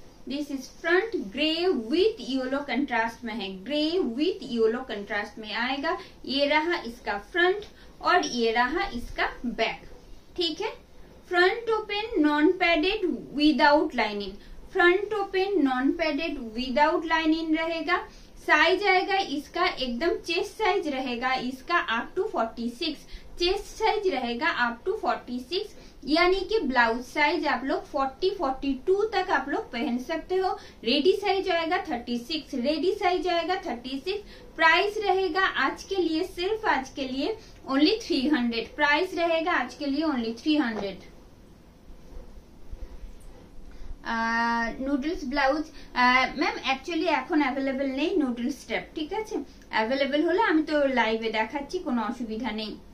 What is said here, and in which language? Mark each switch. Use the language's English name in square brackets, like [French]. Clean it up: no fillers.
[Hindi] This is front grey with YOLO contrast में है grey with YOLO contrast में आएगा ये रहा इसका फ्रंट और ये रहा इसका बैक ठीक है front open non padded without lining front open non padded without lining रहेगा साइज आएगा इसका एकदम चेस्ट साइज रहेगा इसका अप टू 46 चेस्ट साइज रहेगा अप टू 46 यानी कि ब्लाउज साइज आप लोग 40-42 तक आप लोग पहन सकते हो। रेडी साइज आएगा 36, रेडी साइज आएगा 36। प्राइस रहेगा आज के लिए, सिर्फ आज के लिए ओनली 300, प्राइस रहेगा आज के लिए only 300। [Bangla] Noodles blouse ma'am actually এখন অ্যাভেলেবল নেই নুডলস স্টেপ, ঠিক আছে, অ্যাভেলেবল হলে আমি তো লাইভে দেখাচ্ছি, কোনো অসুবিধা নেই।